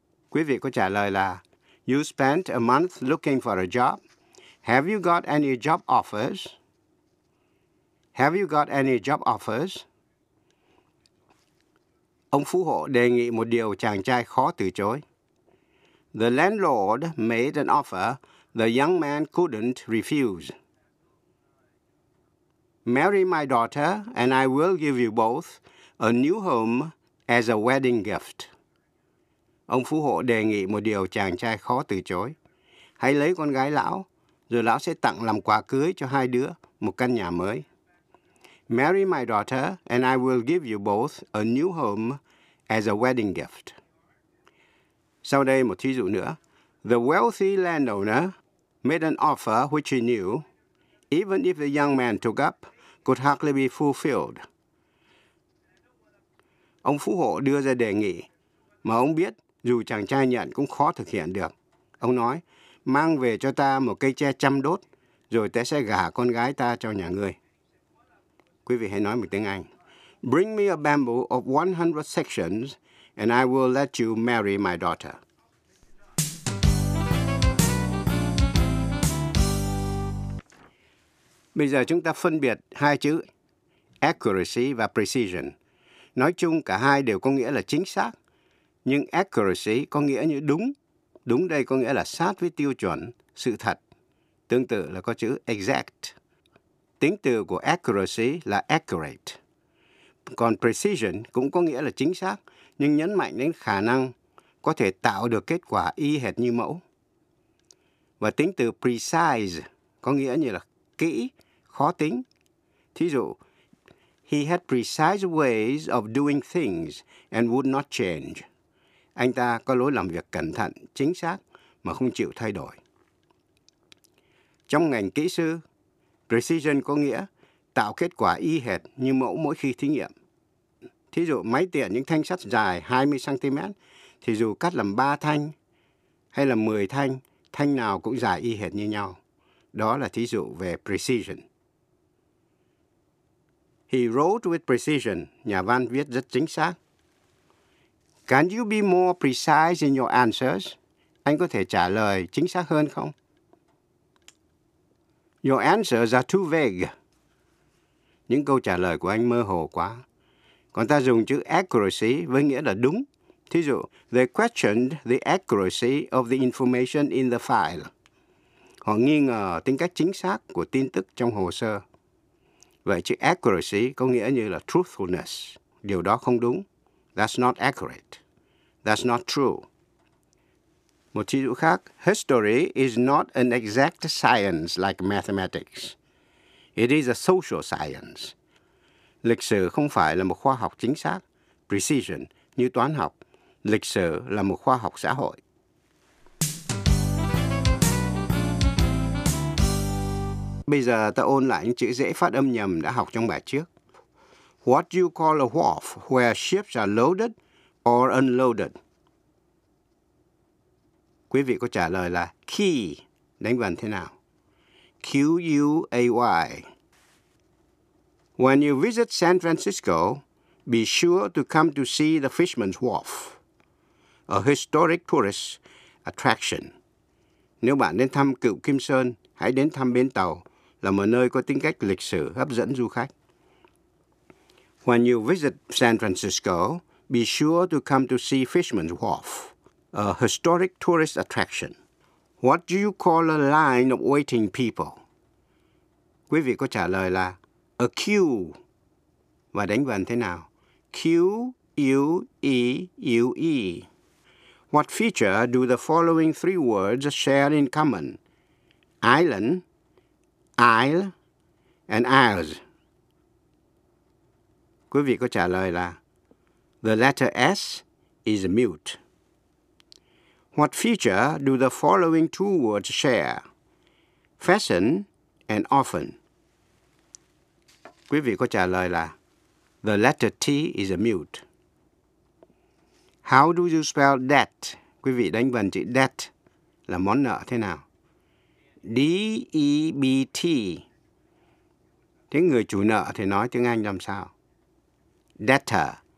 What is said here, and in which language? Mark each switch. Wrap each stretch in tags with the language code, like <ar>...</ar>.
<vi>Quý vị có trả lời là</vi> <en>you spent a month looking for a job. Have you got any job offers? Have you got any job offers?</en> <vi>Ông phú hộ đề nghị một điều chàng trai khó từ chối.</vi> <en>The landlord made an offer the young man couldn't refuse. Marry my daughter and I will give you both a new home as a wedding gift.</en> <vi>Ông phú hộ đề nghị một điều chàng trai khó từ chối. Hãy lấy con gái lão, rồi lão sẽ tặng làm quà cưới cho hai đứa một căn nhà mới.</vi> <en>Marry my daughter and I will give you both a new home as a wedding gift.</en> <vi>Sau đây một thí dụ nữa.</vi> <en>The wealthy landowner made an offer which he knew, even if the young man took up, could hardly be fulfilled.</en> <vi>Ông phú hộ đưa ra đề nghị, mà ông biết dù chàng trai nhận cũng khó thực hiện được. Ông nói, mang về cho ta một cây tre chăm đốt, rồi ta sẽ gả con gái ta cho nhà ngươi. Quý vị hãy nói một tiếng Anh.</vi> <en>Bring me a bamboo of 100 sections, and I will let you marry my daughter.</en> <vi>Bây giờ chúng ta phân biệt hai chữ accuracy và precision. Nói chung cả hai đều có nghĩa là chính xác. Nhưng accuracy có nghĩa như đúng. Đúng đây có nghĩa là sát với tiêu chuẩn, sự thật. Tương tự là có chữ exact. Tính từ của accuracy là accurate. Còn precision cũng có nghĩa là chính xác, nhưng nhấn mạnh đến khả năng có thể tạo được kết quả y hệt như mẫu. Và tính từ precise có nghĩa như là kỹ, khó tính. Thí dụ,</vi> <en>he had precise ways of doing things and would not change.</en> <vi>Anh ta có lối làm việc cẩn thận, chính xác mà không chịu thay đổi. Trong ngành kỹ sư, precision có nghĩa tạo kết quả y hệt như mẫu mỗi khi thí nghiệm. Thí dụ, máy tiện những thanh sắt dài 20cm, thì dù cắt làm 3 thanh hay là 10 thanh, thanh nào cũng dài y hệt như nhau. Đó là thí dụ về precision.</vi> <en>He wrote with precision.</en> <vi>Nhà văn viết rất chính xác.</vi> <en>Can you be more precise in your answers?</en> <vi>Anh có thể trả lời chính xác hơn không?</vi> <en>Your answers are too vague.</en> <vi>Những câu trả lời của anh mơ hồ quá. Còn ta dùng chữ accuracy với nghĩa là đúng. Thí dụ,</vi> <en>they questioned the accuracy of the information in the file.</en> <vi>Họ nghi ngờ tính cách chính xác của tin tức trong hồ sơ. Vậy chữ accuracy có nghĩa như là truthfulness. Điều đó không đúng.</vi> <en>That's not accurate. That's not true.</en> <vi>Một thí dụ khác,</vi> <en>history is not an exact science like mathematics. It is a social science.</en> <vi>Lịch sử không phải là một khoa học chính xác, precision, như toán học. Lịch sử là một khoa học xã hội. Bây giờ ta ôn lại những chữ dễ phát âm nhầm đã học trong bài trước.</vi> <en>What you call a wharf where ships are loaded or unloaded?</en> <vi>quý vị có trả lời là key đánh vần thế nào?</vi> <en>Q-U-A-Y. When you visit San Francisco, be sure to come to see the Fisherman's Wharf, a historic tourist attraction.</en> <vi>Nếu bạn đến thăm Cựu Kim Sơn, hãy đến thăm bến tàu, là một nơi có tính cách lịch sử hấp dẫn du khách.</vi> <en>When you visit San Francisco, be sure to come to see Fisherman's Wharf, a historic tourist attraction. What do you call a line of waiting people?</en> <vi>Quý vị có trả lời là</vi> <en>a queue.</en> <vi>Và đánh vần thế nào? Q-U-E-U-E.</vi> <en>What feature do the following three words share in common? Island, isle, and isles.</en> <vi>Quý vị có trả lời là</vi> <en>the letter S is mute. What feature do the following two words share? Fashion and often.</en> <vi>Quý vị có trả lời là</vi> <en>the letter T is a mute. How do you spell debt?</en> <vi>Quý vị đánh vần chữ debt là món nợ thế nào? D-E-B-T. Tiếng người chủ nợ thì nói tiếng Anh làm sao? Debtor.</vi>